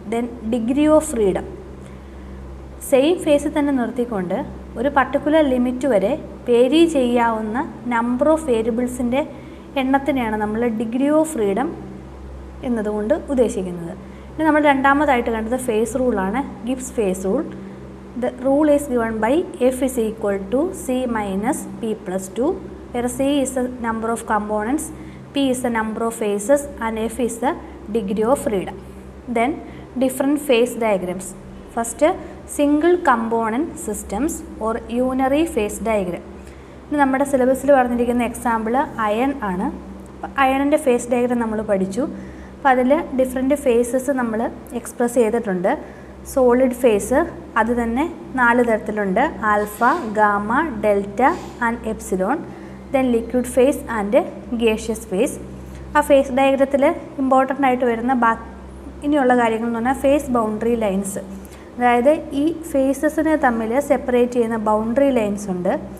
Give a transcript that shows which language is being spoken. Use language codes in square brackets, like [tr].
[ml] Then degree of freedom, same face തന്നെ നിർത്തിക്കൊണ്ട് ഒരു പർട്ടിക്കുലർ ലിമിറ്റ് വരെ വേരി ചെയ്യാവുന്ന നമ്പർ ഓഫ് വേരിയബിൾസിൻ്റെ എണ്ണത്തിനെയാണ് നമ്മൾ ഡിഗ്രി ഓഫ് ഫ്രീഡം എന്നതുകൊണ്ട് ഉദ്ദേശിക്കുന്നത്. ഇനി നമ്മൾ രണ്ടാമതായിട്ട് കണ്ടത് face റൂളാണ്, Gibbs face rule. [en] The rule is given by F is equal to C minus P plus 2, where C is the number of components, P is the number of phases and F is the degree of freedom. Then different phase diagrams. First, single component systems or unary phase diagram. In our syllabus, we have an example iron. Iron and phase diagram, we have learned different phases express [ml] cheyittund. Solid face അത് തന്നെ നാല് തരത്തിലുണ്ട്, alpha, gamma, delta and epsilon. Then liquid face and gaseous face. ആ face ഡയഗ്രത്തിൽ important ആയിട്ട് വരുന്ന ഇനിയുള്ള കാര്യങ്ങൾ എന്ന് പറഞ്ഞാൽ ഫേസ് ബൗണ്ടറി ലൈൻസ്, അതായത് ഈ ഫേസസിനെ തമ്മിൽ സെപ്പറേറ്റ് ചെയ്യുന്ന ബൗണ്ടറി ലൈൻസ് ഉണ്ട്.